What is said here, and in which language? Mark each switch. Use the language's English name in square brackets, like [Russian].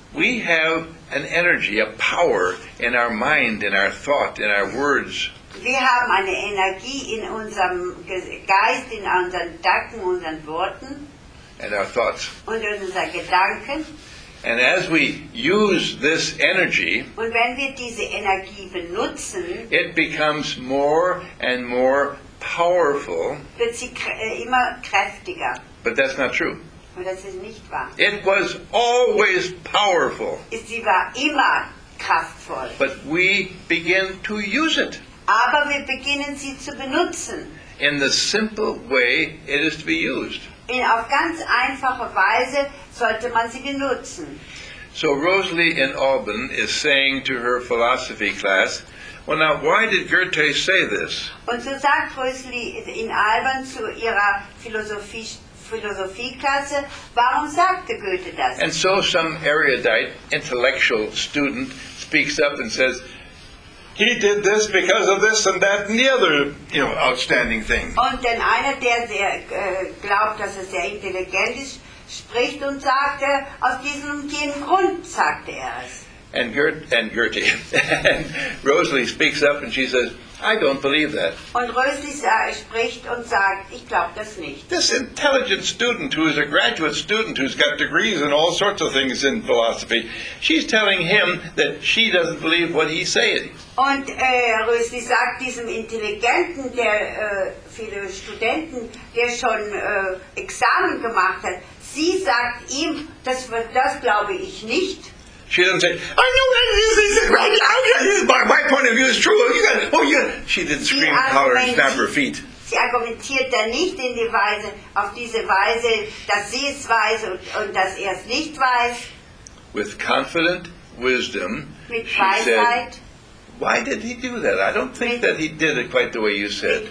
[English] We have an energy, a power in our mind, in our thought, in our words. [German] Wir haben eine Energie in unserem Geist, in unseren Gedanken, unseren Worten. [English] And our thoughts. [German] Und in unseren Gedanken. [English] And as we use this energy, [German] und wenn wir diese Energie benutzen, [English] it becomes more and more powerful. [German] Wird sie immer kräftiger. [English] But that's not true. [German] Und das ist nicht wahr. [English] It was always powerful. [German] Sie war immer kraftvoll. [English] But we begin to use it. [German] Aber wir beginnen sie zu benutzen. [English] In the simple way it is to be used. [German] In auf ganz einfache Weise sollte man sie benutzen. [English] So Rosalie in Auburn is saying to her philosophy class, well now, why did Goethe say this? [German] Und so sagt Rosalie in Auburn zu ihrer Philosophieklasse, warum sagte Goethe das? [English] And so some erudite intellectual student speaks up and says, he did this because of this and that and the other, you know, outstanding thing. [German] Und denn einer, der sehr glaubt, dass er sehr intelligent ist, spricht und sagt, aus diesem und jenem Grund sagte er es. [English] And Goethe. And Rosalie speaks up and she says, I don't believe that. [German] Und Rosalie spricht und sagt, ich glaube das nicht. [English] This intelligent student who is a graduate student who's got degrees in all sorts of things in philosophy, she's telling him that she doesn't believe what he's saying. [German] Und Rösli sagt diesem Intelligenten, der viele Studenten, der schon Examen gemacht hat, sie sagt ihm, das glaube ich nicht. [English] She doesn't say, I know what it is, my point of view is true, you got it. Oh yeah. She didn't scream, holler, and snap her feet. [German] Sie argumentiert dann nicht in die Weise, auf diese Weise, dass sie es weiß und dass er es nicht weiß. [English] With confident wisdom, [German] mit Weisheit, [English] she said, why did he do that? I don't think that he did it quite the way you said.